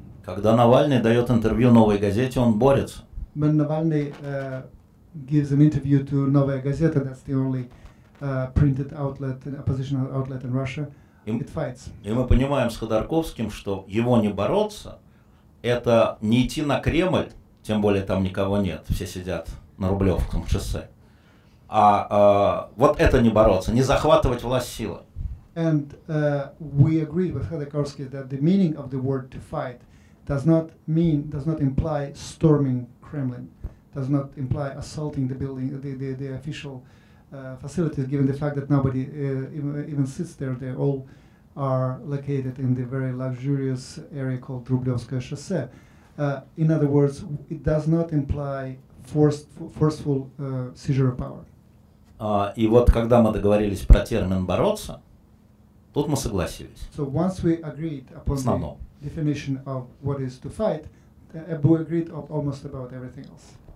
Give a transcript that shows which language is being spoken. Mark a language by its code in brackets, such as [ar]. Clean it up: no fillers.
[ru] Когда Навальный дает интервью «Новой газете», он борется. [en] When Navalny gives an interview to Novaya Gazeta, that's the only printed outlet, opposition outlet in Russia, it fights. [ru] И мы понимаем с Ходорковским, что его не бороться, это не идти на Кремль, тем более там никого нет, все сидят на Рублевском шоссе. А вот это не бороться, не захватывать власть силой. [en] And we agree with Ходорковский that the meaning of the word to fight does not imply storming Kremlin, does not imply assaulting the building, the official facilities, given the fact that nobody even sits there. They all are located in the very luxurious area called Rublevskoye Chaussee. In other words, it does not imply forceful seizure of power. [ru] И вот когда мы договорились про термин «бороться», тут мы согласились. [en] So once we agreed upon the definition of what is to fight, we agreed almost about everything else.